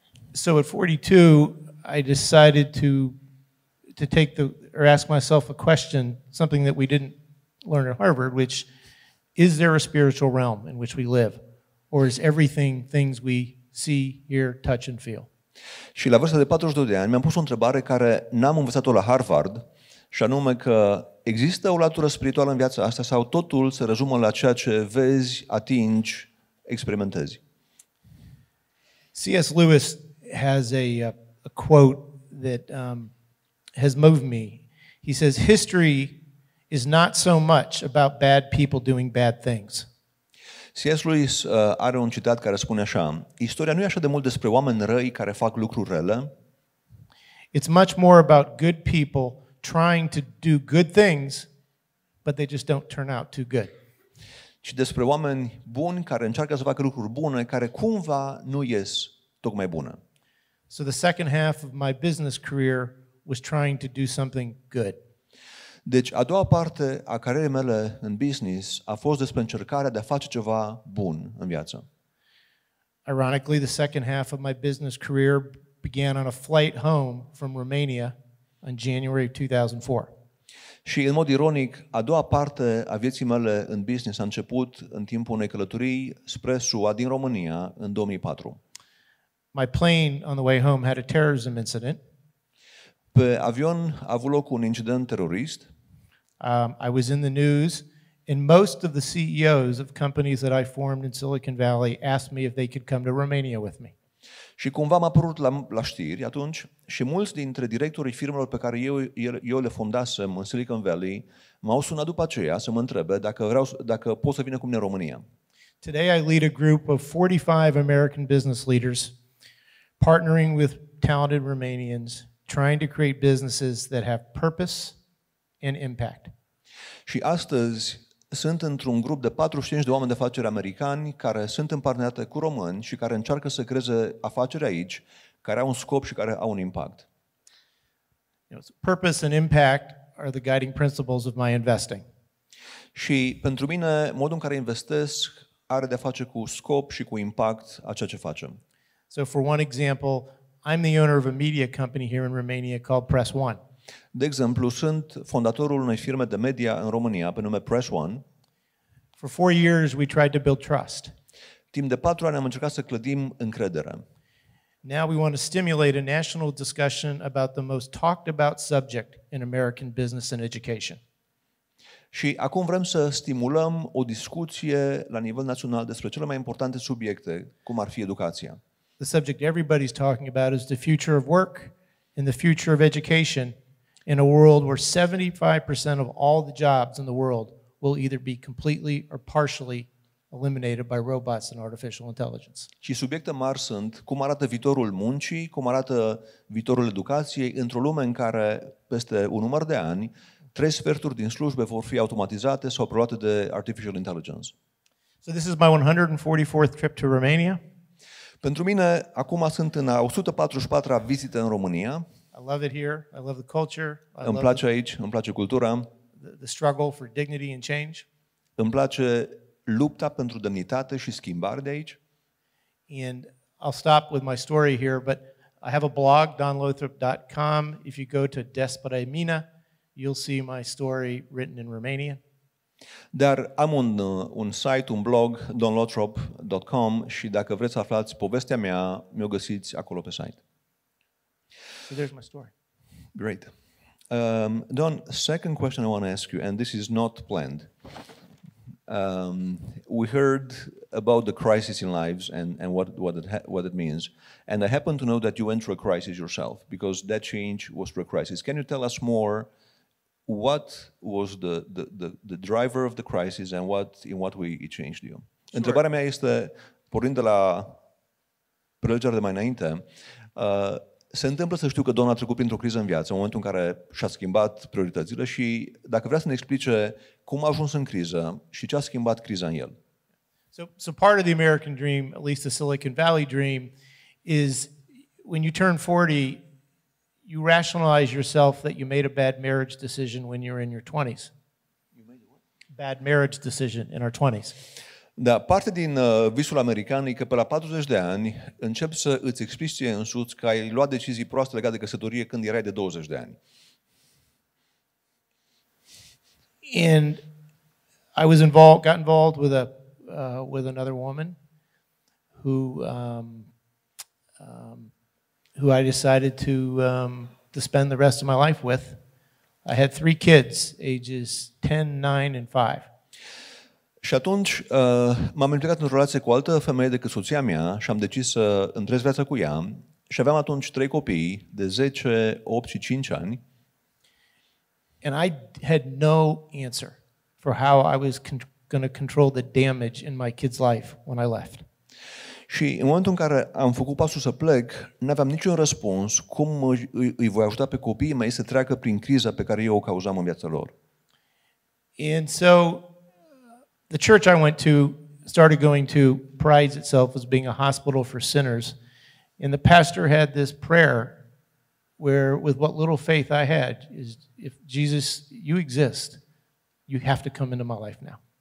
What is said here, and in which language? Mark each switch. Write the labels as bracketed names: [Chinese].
[English] So at 42 I decided to take the or ask myself a question, something that we didn't learn at Harvard, which is there a spiritual realm in which we live, or is everything things we see, hear, touch and feel? [Romanian] Și la vârsta de 42 de ani mi-am pus o întrebare care n-am învățat-o la Harvard, și anume că există o latură spirituală în viața asta sau totul se rezumă la ceea ce vezi, atingi, experimentezi? [English] C.S. Lewis has a quote that has moved me. He says, history is not so much about bad people doing bad things. [Romanian] C.S. Lewis are un citat care spune așa, istoria nu e așa de mult despre oameni răi care fac lucruri rele. [English] It's much more about good people trying to do good things, but they just don't turn out too good. [Romanian] Și despre oameni buni care încearcă să facă lucruri bune, care cumva nu ies tocmai bune. [English] So the second half of my business career was trying to do something good. [Romanian] Deci a doua parte a carierei mele în business a fost despre încercarea de a face ceva bun în viață. [English] Ironically, the second half of my business career began on a flight home from Romania on January 2004. [Romanian] Și în mod ironic, a doua parte a vieții mele în business a început în timpul unei călătorii spre SUA din România în 2004. [English] My plane on the way home had a terrorism incident. [Romanian] Pe avion a avut loc un incident terorist. [English] I was in the news, and most of the CEOs of companies that I formed in Silicon Valley asked me if they could come to Romania with me. [Romanian] Și cumva m-a apărut la știri atunci, și mulți dintre directorii firmelor pe care eu le fondasem în Silicon Valley m-au sunat după aceea să mă întrebe dacă pot să vină cu mine în România. [English] Today I lead a group of 45 American business leaders partnering with talented Romanians, trying to create businesses that have purpose and impact. [Romanian] Și astăzi sunt într-un grup de 45 de oameni de afaceri americani care sunt împarteneriate cu români și care încearcă să creeze afaceri aici, care au un scop și care au un impact. [English] You know, purpose and impact are the guiding principles of my investing. [Romanian] Și pentru mine, modul în care investesc are de-a face cu scop și cu impact a ceea ce facem. [English] So for one example, I'm the owner of a media company here in Romania called Press One. [Romanian] De exemplu, sunt fondatorul unei firme de media în România pe nume Press One. [English] For 4 years we tried to build trust. [Romanian] Timp de 4 ani am încercat să clădim încredere. [English] Now we want to stimulate a national discussion about the most talked about subject in American business and education. [Romanian] Și acum vrem să stimulăm o discuție la nivel național despre cele mai importante subiecte, cum ar fi educația. [English] The subject everybody's talking about is the future of work and the future of education in a world where 75% of all the jobs in the world will either be completely or partially eliminated by robots and artificial intelligence. [Romanian] Și subiecte mari sunt cum arată viitorul muncii, cum arată viitorul educației într-o lume în care peste un număr de ani, 3/4 din slujbe vor fi automatizate sau preluate de artificial intelligence. [English] So this is my 144th trip to Romania. [Romanian] Pentru mine, acum sunt în a 144-a vizită în România. [English] I love it here. I love the culture. [Romanian] Îmi place aici, îmi place cultura. [English] The struggle for dignity and change. [Romanian] Îmi place lupta pentru demnitate și schimbare de aici. [English] And I'll stop with my story here, but I have a blog, donlothrop.com. If you go to Despre Mine, you'll see my story written in Romanian. [Romanian] Dar am un site, un blog, donlothrop.com, și dacă vreți să aflați povestea mea, mi-o găsiți acolo pe site. [English] So there's my story. Great. Don, second question I want to ask you, and this is not planned. We heard about the crisis in lives and what it means. And I happen to know that you went through a crisis yourself, because that change was through a crisis. Can you tell us more? What was the driver of the crisis, and in what way it changed you? Sure. [Romanian] Întrebarea mea este, pornind de la prelegerea de mai înainte, se întâmplă să știu că Don a trecut printr-o criză în viață, în momentul în care și-a schimbat prioritățile, și dacă vrea să ne explice cum a ajuns în criză și ce a schimbat criza în el. [English] So part of the American dream, at least the Silicon Valley dream, is when you turn 40, you rationalize yourself that you made a bad marriage decision when you're in your 20s. You made what? Bad marriage decision in our 20s. [Romanian] Da, parte din visul american e că pe la 40 de ani începi să îți explici ție însuți că ai luat decizii proaste legate de căsătorie când erai de 20 de ani. [English] And I was involved, got involved with a with another woman who I decided to spend the rest of my life with. I had 3 kids, ages 10, 9 and 5. [Romanian] Și atunci m-am implicat într-o relație cu o altă femeie decât soția mea și am decis să întrez viața cu ea. Și aveam atunci 3 copii de 10, 8 și 5 ani. [English] And I had no answer for how I was going to control the damage in my kids' life when I left. [Romanian] Și în momentul în care am făcut pasul să plec, n-aveam niciun răspuns cum îi voi ajuta pe copiii mei să treacă prin criza pe care eu o cauzam în viața lor. [English] And so the church I went to, started going to, prides itself as being a hospital for sinners. And the pastor had this prayer where, with what little faith I had, is, if Jesus, you exist, you have to come into my life now.